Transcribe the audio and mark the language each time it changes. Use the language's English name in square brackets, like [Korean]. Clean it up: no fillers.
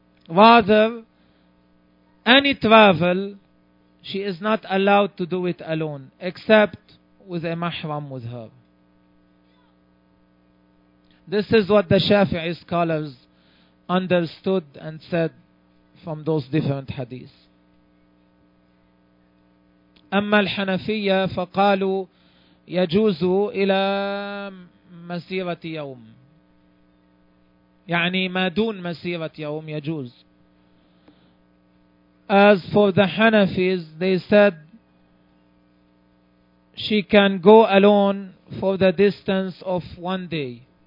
[English] Rather, any travel, she is not allowed to do it alone, except with a mahram with her. This is what the Shafi'i scholars understood and said from those different hadiths. [Arabic] أما الحنفية فقالوا يجوز إلى مسيرة يوم، يعني ما دون مسيرة يوم يجوز. [English] As for the Hanafis, they said she can go alone for the distance of 1 day.